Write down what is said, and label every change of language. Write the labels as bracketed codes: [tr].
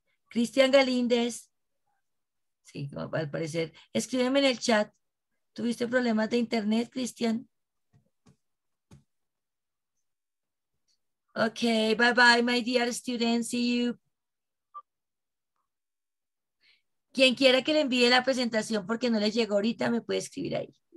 [es] Cristian Galíndez, sí, al parecer, escríbeme en el chat, ¿tuviste problemas de internet, Cristian? [en] Ok, bye bye, my dear students, see you. [es] Quien quiera que le envíe la presentación porque no le llegó ahorita, me puede escribir ahí.